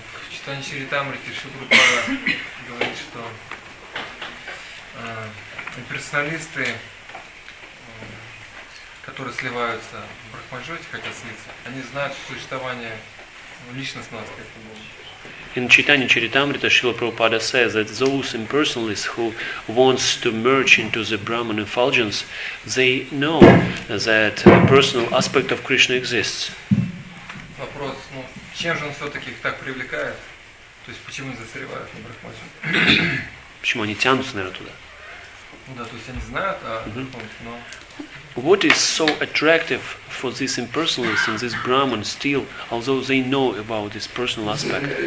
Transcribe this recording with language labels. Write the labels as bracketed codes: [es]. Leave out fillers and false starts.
[ru] Читание Чаритамриты, Шибрупада говорит, что персоналисты, которые сливаются в Брахмаджоте, хотят слиться, они знают существование личностного аспекта Бога. [en] In Chaitanya Charitamrita, Srila Prabhupada says that those impersonalists who wants to merge into the Brahman effulgence, they know that a personal aspect of Krishna exists. [ru] Вопрос, ну, чем же он все-таки их так привлекает? То есть, почему они застревают на Брахмаджоте? Почему они тянутся, наверное, туда? Ну да, то есть они знают, а но... [en] What is so attractive for these impersonalists and these Brahmins still, although they know about this personal aspect?